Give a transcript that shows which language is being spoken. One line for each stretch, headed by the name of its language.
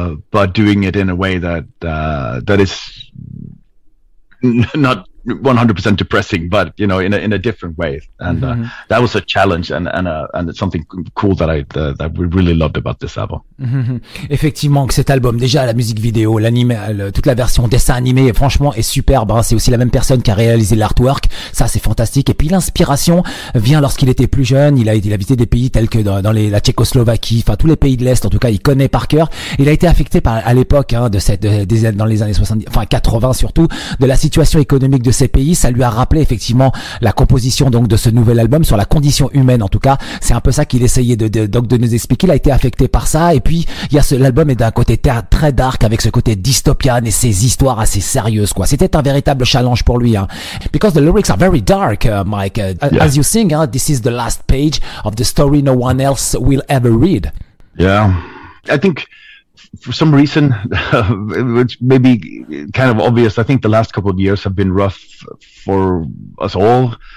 English: but doing it in a way that that is not 100% depressing, but you know, in a different way. And that was a challenge, and it's something cool that that we really loved about this album.
French: Effectivement, que cet album, déjà la musique vidéo, toute la version dessin animé, franchement, est superbe. Hein. C'est aussi la même personne qui a réalisé l'artwork. Ça, c'est fantastique. Et puis l'inspiration vient lorsqu'il était plus jeune. Il a visité des pays tels que la Tchécoslovaquie, enfin tous les pays de l'Est. En tout cas, il connaît par cœur. Il a été affecté à l'époque dans les années 70, enfin 80 surtout, de la situation économique de ces pays. Ça lui a rappelé effectivement la composition donc de ce nouvel album sur la condition humaine. En tout cas, c'est un peu ça qu'il essayait de nous expliquer. Il a été affecté par ça. Et puis l'album est d'un côté très dark, avec ce côté dystopian et ces histoires assez sérieuses, quoi. C'était un véritable challenge pour lui, hein.
English: Because the lyrics are very dark, Mike. Yeah. As you sing, this is the last page of the story no one else will ever read. Yeah, I think for some reason, which may be kind of obvious, I think the last couple of years have been rough for us all.